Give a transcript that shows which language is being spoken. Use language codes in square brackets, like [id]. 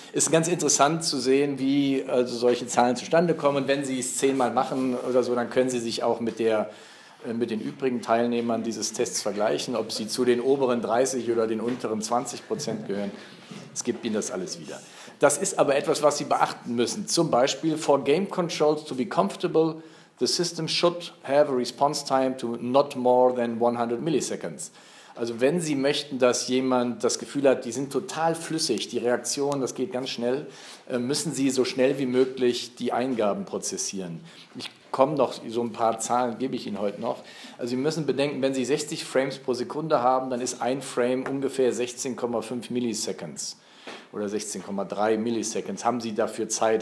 [de] Ist ganz interessant zu sehen, wie also solche Zahlen zustande kommen. Und wenn Sie es 10-mal machen oder so, dann können Sie sich auch mit den übrigen Teilnehmern dieses Tests vergleichen, ob Sie zu den oberen 30 oder den unteren 20% gehören. Es gibt Ihnen das alles wieder. Das ist aber etwas, was Sie beachten müssen. Zum Beispiel, [en] for game controls to be comfortable, the system should have a response time to not more than 100 milliseconds. [de] Also wenn Sie möchten, dass jemand das Gefühl hat, die sind total flüssig, die Reaktion, das geht ganz schnell, müssen Sie so schnell wie möglich die Eingaben prozessieren. Ich komme noch, so ein paar Zahlen gebe ich Ihnen heute noch. Also Sie müssen bedenken, wenn Sie 60 Frames pro Sekunde haben, dann ist ein Frame ungefähr 16,5 Milliseconds oder 16,3 Milliseconds, haben Sie dafür Zeit.